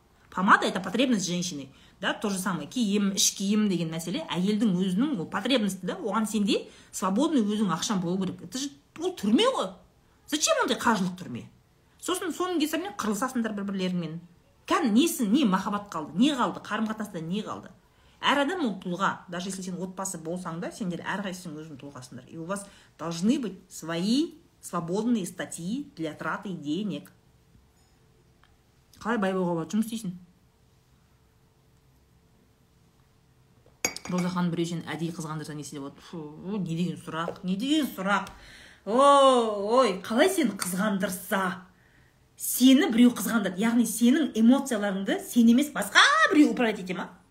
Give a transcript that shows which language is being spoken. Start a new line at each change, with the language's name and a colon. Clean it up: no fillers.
Russian: Помада – это потребность женщины,
Kazakh: да,
Russian: то же самое,
Kazakh: киім, іш киім деген мәселе, әйелдің өзінің потребности, да, оған сенде свободный өзің ақшаң болу керек.
Russian: Это же,
Kazakh: ол түрме ғой. Зачем ондай қажылық түрме? Сосын соның кесірінен қырылысасыңдар бір-бірлеріңмен. Кән несі, не махаббат қалды, не қалды, қарым-қатынаста не қалды? Әр адам ол тұлға,
Russian: даже если
Kazakh: сен отбасы болсаң да, сендер әрқайсың өзің тұлғасыңдар.
Russian: И у вас должны быть свои свободные статьи для траты денег.
Kazakh: Қалай бай болуға болады? Жұмыс істейсің? Роза ханым біреу сені әдейі қызғандырса не істейді? Не деген сұрақ, не деген сұрақ? Ой, қалай сені қызғандырса? Сені біреу қызғандырды, яғни сенің эмоцияларыңды сен емес басқа біреу управлять ете ма?